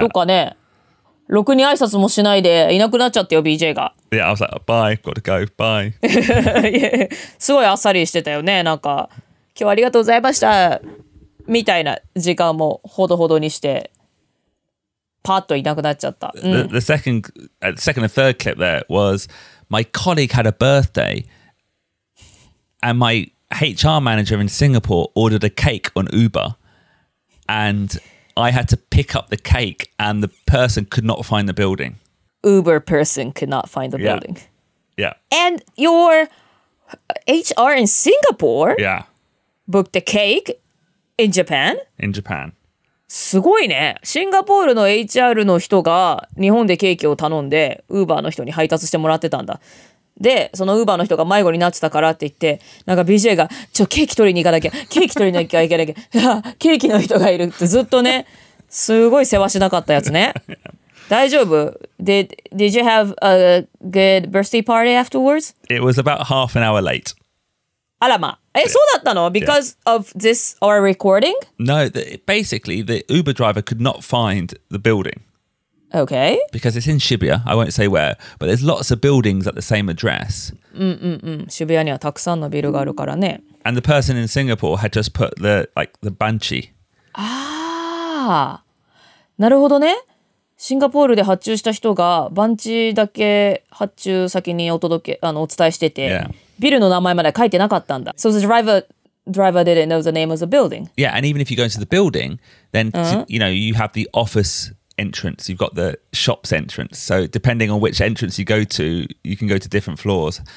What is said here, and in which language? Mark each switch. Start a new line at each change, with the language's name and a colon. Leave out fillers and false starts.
Japanese: どっかね、ろくに挨拶もしないでいなくなっちゃったよ BJ が。
English: Yeah, I was like, bye, gotta go, bye.
Japanese: すごいあっさりしてたよね、なんか今日ありがとうございましたみたいな時間もほどほどにして。パッといなくなっちゃった。
English: The second and third clip there was my colleague had a birthday and my HR manager in Singapore ordered a cake on Uber and I had to pick up the cake and the person could not find the building. Uber person could not find the building. Yeah. yeah. And your HR in Singapore yeah. booked the cake in Japan? In Japan.
Japanese: すごいね。シンガポールの HR の人が日本でケーキを頼んで、Uber の人に配達してもらってたんだ。で、その Uber の人が迷子になってたからって言って、なんか BJ が、ちょ、ケーキ取りに行かなきゃ、ケーキ取りに行かなきゃ、ケーキの人がいるってずっとね、すごい世話しなかったやつね。大丈夫?
English: Did you have a good birthday party afterwards? It was about half an hour late.
Japanese: あらま、え、そうだったの?
English: Because yeah. of this our recording? No, basically the Uber driver could not find the building. Okay. Because it's in Shibuya, I won't say where, but there's lots of buildings at the same address.
Japanese: Shibuya にはたくさんのビルがあるからね。
English: And the person in Singapore had just put the, like, the banshee.
Japanese: Ah, なるほどね。シンガポールで発注した人がバンチだけ発注先にお届け、あのお伝えしてて、
English: yeah.
Japanese: ビルの名前まで書いてなかったんだ。
English: So the driver didn't know the name of the building. Yeah, and even if you go into the building, then you know, you have the office entrance, you've got the shops entrance. So depending on which entrance you go to, you can go to different floors.